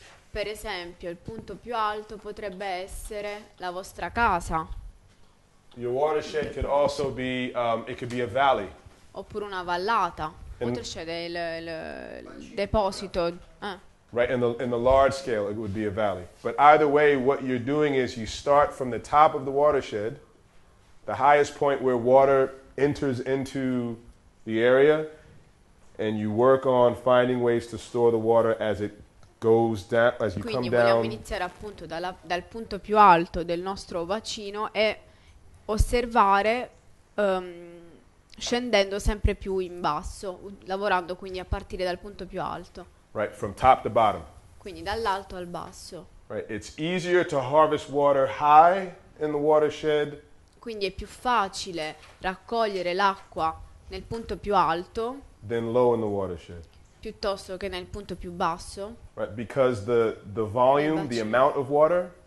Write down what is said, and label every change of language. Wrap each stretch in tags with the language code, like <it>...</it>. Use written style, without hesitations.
<it>Per esempio, il punto più alto potrebbe essere la vostra casa.</it> <en>Your watershed could also be it could be a valley.</en> <it>Oppure una vallata. Watershed è il deposito.</it> <en>Right, in the large scale it would be a valley. But either way, what you're doing is you start from the top of the watershed, the highest point where water enters into the area, and you work on finding ways to store the water as it goes down, as you</en> <it>Quindi</it> <en>come down.</en> <it>Quindi vogliamo iniziare appunto dal punto più alto del nostro bacino e osservare scendendo sempre più in basso, lavorando quindi a partire dal punto più alto.</it> <en>Right, from top to bottom.</en> <it>Quindi dall'alto al basso.</it> <en>Right, it's easier to harvest water high in the watershed.</en> <it>Quindi è più facile raccogliere l'acqua nel punto più alto</it> <en>than low in the watershed.</en> <it>Piuttosto che nel punto più basso.</it> <en>Right, because the volume, the amount of water.</en>